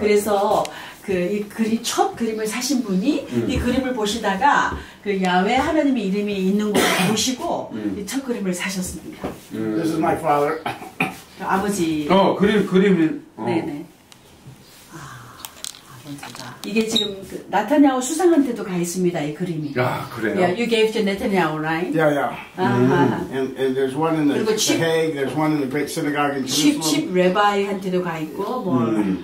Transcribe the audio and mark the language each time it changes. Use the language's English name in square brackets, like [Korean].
[Korean] 그래서 그 이 그림 첫 그림을 사신 분이 이 그림을 보시다가 그 야훼 하나님의 이름이 있는 걸 보시고 이 첫 그림을 사셨습니다. [English] This is my father. [Korean] 아버지. 어 그림. 어. 네네. 아 아버지가 이게 지금 그 나타냐오 수상한테도 가 있습니다. 이 그림이. 아 그래요. [English] Yeah, you gave to Netanyahu, right? Yeah, yeah. And there's one in the Hague. There's one in the great synagogue in Jerusalem. [Korean] 칩 레바이한테도 가 있고 뭐.